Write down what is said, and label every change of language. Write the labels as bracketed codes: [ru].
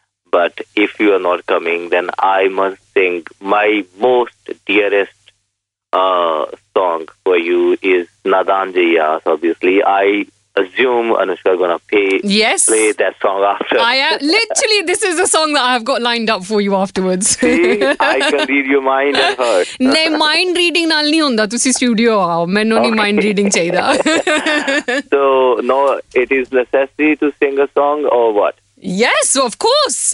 [en] But if you are not coming, then I must sing my most dearest song for you is Nadan Jayas. Obviously, I assume Anushka is going to play that song after. Literally, this is a song that I have got lined up for you afterwards. See, I can read your mind and heart. [pa] No, mind reading ਨਾਲ ਨਹੀ ਹੁੰਦਾ। ਤੁਸੀ studio ਆਓ। ਮੈਨੂੰ ਨਹੀ mind reading ਚਾਹੀਦਾ। [en] So, no, it is necessary to sing a song or what? Yes, of course.